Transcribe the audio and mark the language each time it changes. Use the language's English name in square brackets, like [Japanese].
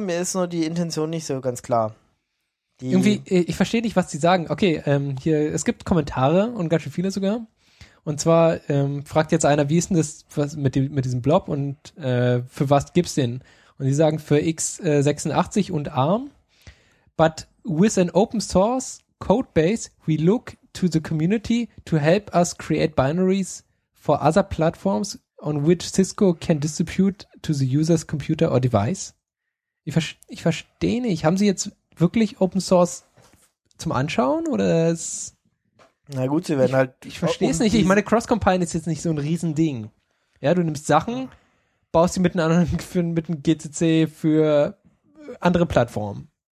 [German] Mir ist nur die Intention nicht so ganz klar. Irgendwie, ich verstehe nicht, was sie sagen. Okay, hier, es gibt Kommentare und ganz schön viele sogar. Und zwar fragt jetzt einer, wie ist denn das mit diesem Blob und für was gibt's den? Und sie sagen, für x86 und ARM. [English] But with an open source code base, we look to the community to help us create binaries for other platforms on which Cisco can distribute to the user's computer or device. [German] Ich verstehe nicht. Haben Sie jetzt wirklich open source zum Anschauen oder ist? Na gut, Sie werden halt. Ich verstehe es nicht. Ich meine, Cross-Compiling ist jetzt nicht so ein Riesending. Ja, du nimmst Sachen, baust sie mit einem GCC für andere Plattformen.